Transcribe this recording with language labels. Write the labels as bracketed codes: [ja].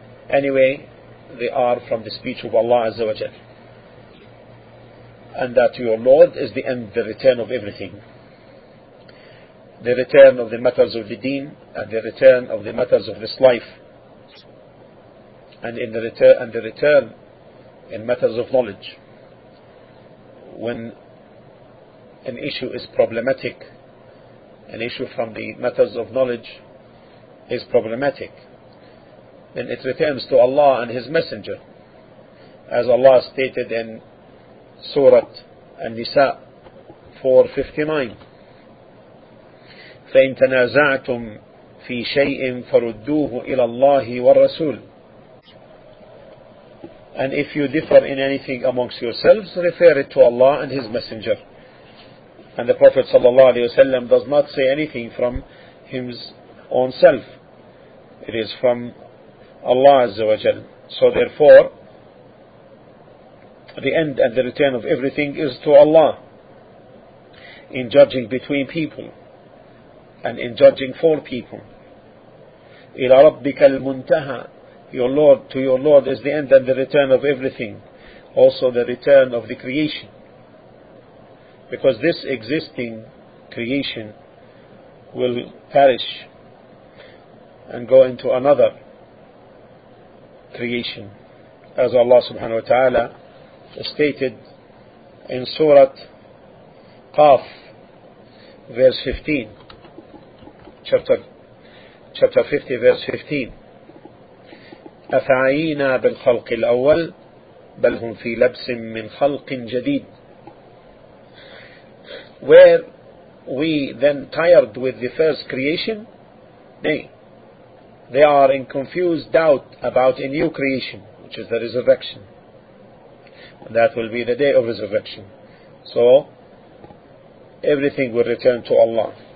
[en] Anyway, they are from the speech of Allah Azza wa Jal, and that your Lord is the end, the return of everything, the return of the matters of the deen, and the return of the matters of this life, and in the return in matters of knowledge. When an issue is problematic, an issue from the matters of knowledge is problematic, then it returns to Allah and His Messenger. As Allah stated in Surah An-Nisa 4:59, [ar] فَإِن تَنَازَعْتُمْ فِي شَيْءٍ فَرُدُّوهُ إِلَى اللَّهِ وَالرَّسُولِ. [en] And if you differ in anything amongst yourselves, refer it to Allah and His Messenger. And the Prophet ﷺ does not say anything from his own self. It is from Allah Azza wa Jal. So therefore, the end and the return of everything is to Allah in judging between people and in judging for people. [ar] إِلَى رَبِّكَ الْمُنْتَهَى. [en] Your Lord, to your Lord is the end and the return of everything, also the return of the creation. Because this existing creation will perish and go into another creation, as Allah subhanahu wa ta'ala stated in Surah Qaf, verse 15, chapter 50, verse 15. [ar] أفعينا بالخلق الأول بل هم في لبس من خلق جديد. [en] Were we then tired with the first creation? Nay, they are in confused doubt about a new creation, which is the resurrection. And that will be the day of resurrection. So everything will return to Allah.